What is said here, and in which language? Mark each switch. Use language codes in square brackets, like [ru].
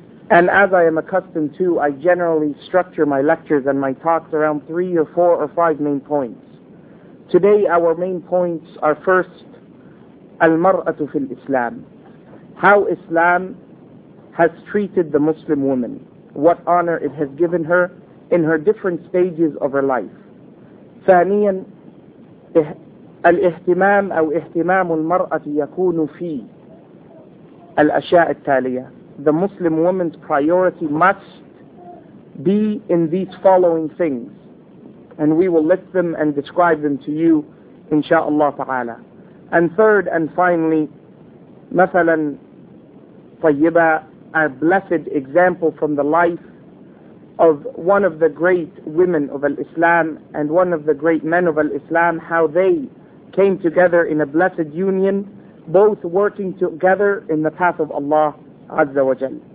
[en] And as I am accustomed to, I generally structure my lectures and my talks around three or four or five main points. Today our main points are first, [ar] al-mar'atu fil Islam, [en] how Islam has treated the Muslim woman, what honor it has given her in her different stages of her life. [ar] ثانياً الاهتمام أو اهتمام المرأة يكون في الأشياء التالية. [en] The Muslim woman's priority must be in these following things, and we will list them and describe them to you insha'Allah ta'ala. And third and finally, [ar] مثلاً طيبة, [en] a blessed example from the life of one of the great women of al-Islam and one of the great men of al-Islam, how they came together in a blessed union, both working together in the path of Allah Azza wa Jal.